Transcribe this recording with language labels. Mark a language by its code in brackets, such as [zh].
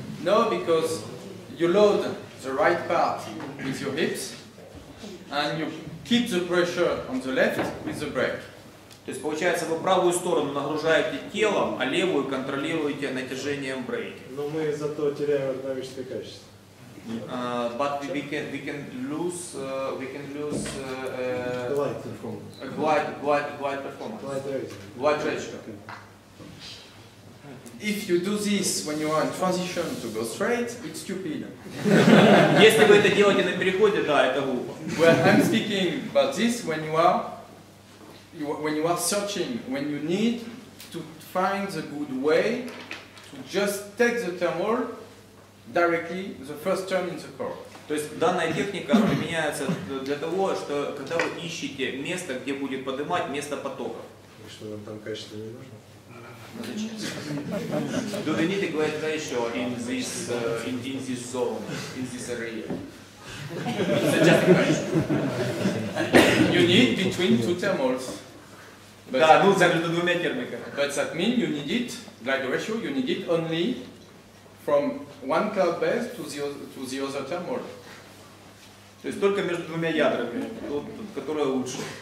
[en] No, because you load the right part with your hips, and you keep the pressure on the left with the brake. [ru] То есть получается, вы правую сторону нагружаете телом, а левую контролируете натяжением брейка. Но мы зато теряем одновременное качество. [en] But we can lose glide performance. [ru] Если вы это делаете на переходе, да, это глупо. [en] Well, I'm speaking about this when you are searching, when you need to find the good way to just take the thermal directly the first turn in the curve. [ru] То есть данная техника применяется для того, что когда вы ищете место, где будет поднимать место потоков. И что нам там качество не нужно? Зачем? [en] Do they need a great ratio in this in this zone, in this area? You need between two thermals. [ru] Да, ну между двумя термиками. [en] But that means you need it, like ratio, you need it only from one cloud base to the other thermal. [ru] То есть только между двумя ядрами, которое лучше.